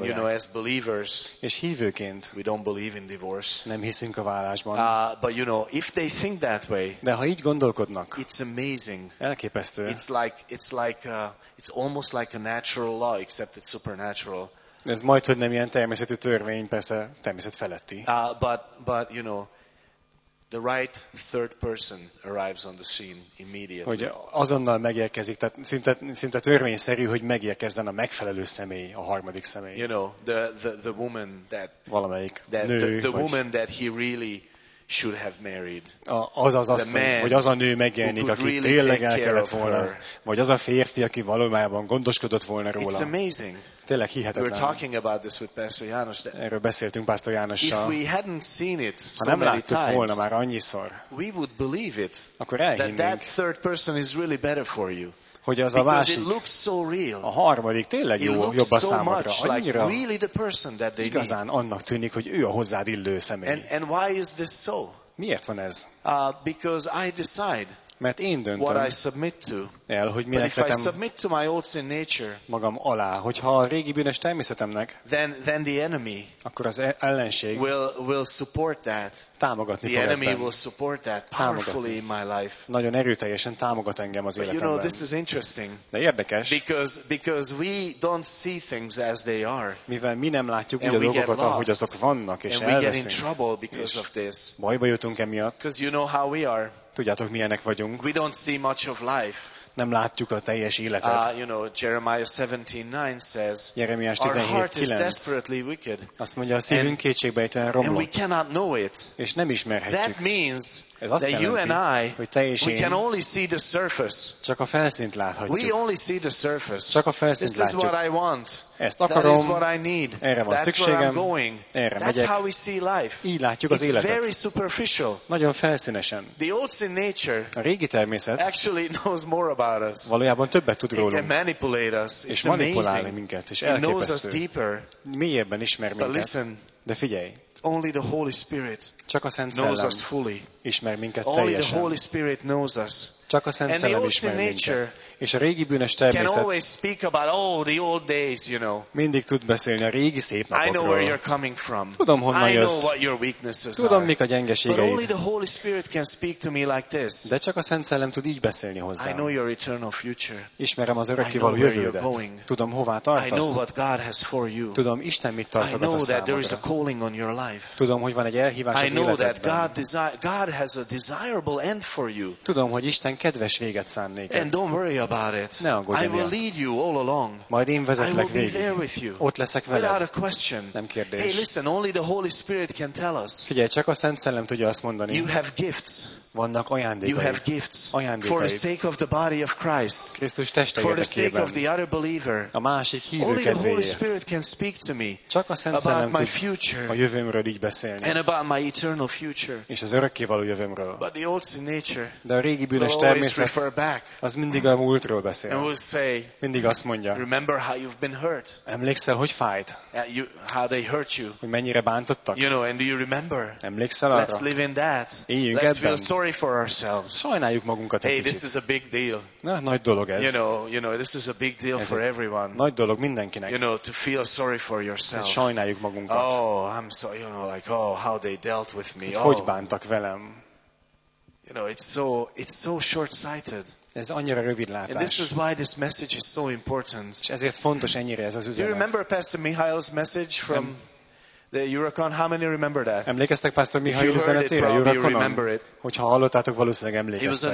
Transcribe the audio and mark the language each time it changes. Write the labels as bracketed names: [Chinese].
[English] And you know, as believers, [Hungarian] és hívőként [English] we don't believe in divorce. [Hungarian] Nem hiszünk a válásban. [English] But you know, if they think that way, [Hungarian] de ha így gondolkodnak, [English] it's amazing. [Hungarian] Elképesztő. [English] It's almost like a natural law, except it's supernatural. [Hungarian] Ez majd, hogy nem ilyen természeti törvény, persze természet feletti. [English] But you know, the right third person arrives on the scene immediately. [Hungarian] Hogy azonnal megérkezik, tehát szinte törvényszerű, hogy megérkezzen a megfelelő személy, a harmadik személy. [English] You know, the woman that [Hungarian] valamelyik [English] that [Hungarian] nő, [English] the woman that he really should have married. [Hungarian] Hogy az a nő megjelenik, aki [English] really [Hungarian] tényleg el kellett volna, vagy az a férfi, aki valójában gondoskodott volna róla. [English] It's amazing. [Hungarian] Tényleg hihetetlen. [English] We're talking about this with Pastor János, that [Hungarian] erről beszéltünk Pásztor Jánossal. [English] If we hadn't seen it so [Hungarian] ha nem [English] many [Hungarian] láttuk [English] times, [Hungarian] volna már annyiszor, [English] we would believe it, [Hungarian] akkor elhinnénk, [English] that third person is really better for you. [Hungarian] Hogy az a [English] because [Hungarian] másik, [English] it looks so real. [Hungarian] A harmadik tényleg jó, jobb a [English] so [Hungarian] számodra. [English] Much [Hungarian] annyira [English] like really the person that they [Hungarian] igazán [English] need. [Hungarian] Annak tűnik, hogy ő a hozzád illő személy. [English] And why is this so? [Hungarian] Miért van ez? [English] Because I decide. [Hungarian] mert én döntöm [English] what I submit to, [Hungarian] el, hogy minek vetem [English] if I submit to my old sin nature, [Hungarian] magam alá, hogyha a régi bűnös természetemnek, [English] then the enemy [Hungarian] akkor az ellenség [English] will support that. [Hungarian] Támogatni [English] the [Hungarian] fog [English] enemy [Hungarian] ebben. [English] Will support that powerfully in my life. [Hungarian] Nagyon erőteljesen támogat engem az életemben. [English] You know, this is interesting. [Hungarian] De érdekes. [English] Because we don't see things as they are. [Hungarian] Mivel mi nem látjuk úgy a dolgokat, ahogy azok vannak, és elveszünk. [English] And we get in trouble because of this. [Hungarian] Bajba jutunk emiatt. [English] Because you know how we are. [Hungarian] Tudjátok, milyenek vagyunk. [English] We don't see much of life. [Hungarian] Nem látjuk a teljes életet. [English] You know, Jeremiah 17:9 says, Jeremiah 17:9 our heart is desperately wicked. [Hungarian] Azt mondja, a szívünk kétségbejtően romlott. [English] And we cannot know it. [Hungarian] És nem ismerhetjük. [English] That means [Hungarian] ez azt [English] that [Hungarian] jelenti, [English] you and I, [Hungarian] hogy te és [English] we can only see the surface. [Hungarian] Csak a felszínt láthatjuk. [English] We only see the surface. [Hungarian] Csak a felszínt látjuk. [English] This is what I want. [Hungarian] Ezt akarom. [English] That is what I need. [Hungarian] Erre van szükségem. [English] That's where I'm going. [Hungarian] Erre megyek. [English] That's how we see life. [Hungarian] Így látjuk az [English] it's [Hungarian] életet. [English] Very superficial. [Hungarian] Nagyon felszínesen. [English] The old sin nature [Hungarian] a régi természet [English] actually knows more about us. [Hungarian] Valójában többet tud rólunk. [English] It can manipulate us. [Hungarian] És manipulálni minket. És elképesztő. [English] It knows us deeper. [Hungarian] Mélyebben ismer minket. [English] But listen, [Hungarian] de figyelj. [English] Only the Holy Spirit [Hungarian] csak a Szent [English] knows us fully. [Hungarian] Ismer minket teljesen. [English] Only the Holy Spirit knows us. [Hungarian] Csak a Szent [English] and [Hungarian] Szellem [English] the old sin nature [Hungarian] és a régi bűnös természet [English] can always speak about the old days, you know. [Hungarian] Mindig tud beszélni a régi szép napokról. [English] I know where you're coming from. [Hungarian] Tudom, honnan jössz. [English] I know what your weaknesses are. [Hungarian] Tudom, mik a gyengeségeid. [English] But only the Holy Spirit can speak to me like this. [Hungarian] De csak a Szent Szellem tud így beszélni hozzám. [English] I know your eternal future. [Hungarian] Ismerem az örökkévaló jövődet. Tudom, hová tartasz. [English] I know what God has for you. [Hungarian] Tudom, Isten mit tartogat a számodra. [English] I know that there is a calling on your life. [Hungarian] Tudom, hogy van egy elhívás az életedben. [English] I know that God has a desirable end for you. [Hungarian] Tudom, hogy Isten kedves véget szán néked. [English] And don't worry about it. [Hungarian] Ne aggódj. [English] I will lead you all along. [Hungarian] Majd én vezetlek [English] I will [Hungarian] végig. [English] Be there with you. [Hungarian] Ott leszek veled. [English] Without a question. [Hungarian] Nem kérdés. [English] Hey, listen, only the Holy Spirit can tell us. [Hungarian] Figyelj, csak a Szent Szellem tudja azt mondani. [English] You have gifts. [Hungarian] Vannak ajándékaid. [English] You have gifts. [Hungarian] Ajándékaid. [English] For the sake of the body of Christ. [Hungarian] Krisztus teste [English] for the sake of the other believer. [Hungarian] A másik hívő [English] only the Holy Spirit can speak to me. [Hungarian] Csak a Szent Szellem [English] about my future. [Hungarian] A jövőmről így beszélni. [English] And about my eternal future. [Hungarian] És az örökkévaló jövőmről. [English] But the old sin nature. [Hungarian] De a régi bűnös természet. Az mindig a múltról beszél. [English] And will say. [Hungarian] Mindig azt mondja. [English] Remember how you've been hurt. [Hungarian] Emlékszel, hogy fájt? [English] How they hurt you. [Hungarian] Hogy mennyire bántottak? [English] You know, and do you remember? [Hungarian] Emlékszel arra? [English] Let's live in that. [Hungarian] Éljünk ebben. [English] Sorry for ourselves. [Hungarian] Sajnáljuk magunkat egy kicsit. [English] Hey, this is a big deal. [Hungarian] Na, nagy dolog ez. [English] You know, this is a big deal for everyone. [Hungarian] Nagy dolog mindenkinek. [English] You know, to feel sorry for yourself. [Hungarian] Sajnáljuk magunkat. [English] Oh, I'm so, you know, like, oh, how they dealt with me. [Hungarian] Hogy bántak velem? [English] You know, it's so short-sighted. [Hungarian] Ez annyira rövidlátás. [English] And this is why this message is so important. [Hungarian] És ezért fontos ennyire ez az üzenet. [English] Do you remember Pastor Mihail's message from the Eurocon, how many remember that? [Hungarian] Emlékeztek Pastor Mihály üzenetére, Eurocon-on? Hogyha hallottátok, valószínűleg emlékeztek.